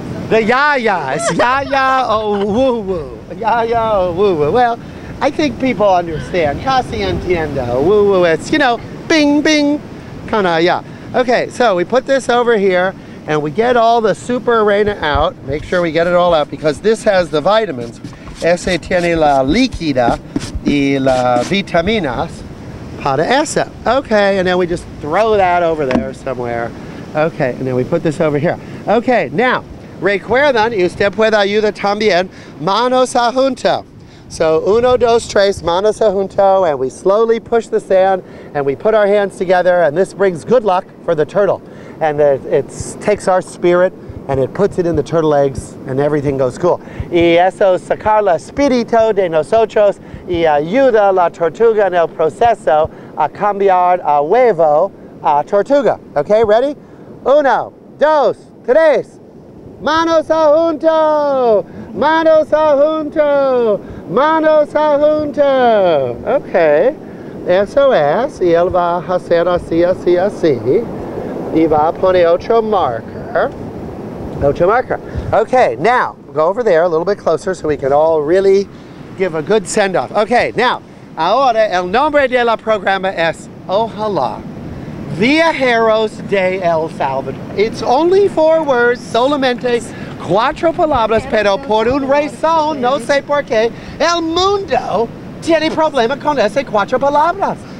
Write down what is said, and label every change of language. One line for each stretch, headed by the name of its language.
English: The ya-ya, it's ya-ya or woo-woo. Ya-ya or woo-woo. Well, I think people understand.
Spanish: Casi entiendo.
English: Woo-woo, it's, you know, bing, bing, kind of, yeah. Okay, so we put this over here, and we get all the super arena out. Make sure we get it all out, because this has the vitamins.
Spanish: Ese tiene la líquida y la vitaminas para eso.
English: Okay, and then we just throw that over there somewhere. Okay, and then we put this over here. Okay, now.
Spanish: Recuerdan, y usted puede ayudar también, manos a junto.
English: So,
Spanish: uno, dos, tres, manos a junto,
English: and we slowly push the sand, and we put our hands together, and this brings good luck for the turtle. And it takes our spirit, and it puts it in the turtle eggs, and everything goes cool.
Spanish: Y eso sacar el espíritu de nosotros, y ayuda la tortuga en el proceso a cambiar a huevo a tortuga.
English: Okay, ready?
Spanish: Uno, dos, tres. Manos a junto! Manos a junto! Manos a junto! Okay. Eso es. Y él va a hacer así, así, así. Y va a poner otro marker. Otro marker.
English: Okay, now, go over there a little bit closer so we can all really give a good send-off. Okay, now,
Spanish: ahora el nombre de la programa es Ojalá. Viajeros de El Salvador.
English: It's only 4 words,
Spanish: solamente 4 palabras, pero por un razón, no sé por qué, el mundo tiene problema con esas 4 palabras.